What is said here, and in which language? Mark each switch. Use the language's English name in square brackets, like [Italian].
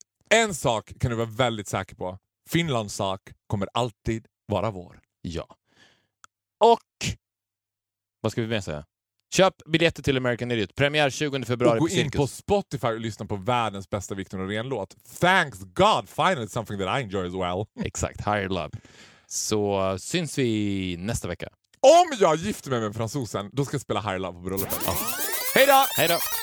[Swedish] En sak kan du vara väldigt säker på. Finlands sak kommer alltid vara vår. Ja. Och vad ska vi med säga? Köp biljetter till American Idiot. Premiär 20 februari på Cirkus. Och gå in på Spotify och lyssna på världens bästa Victor Norén låt. [English] Thanks God, finally something that I enjoy as well. [Swedish] Exakt, Higher Love. Så syns vi nästa vecka. Om jag gifter mig med fransosen, då ska jag spela Higher Love på bröllopet. Ja. Hej då! Hej då!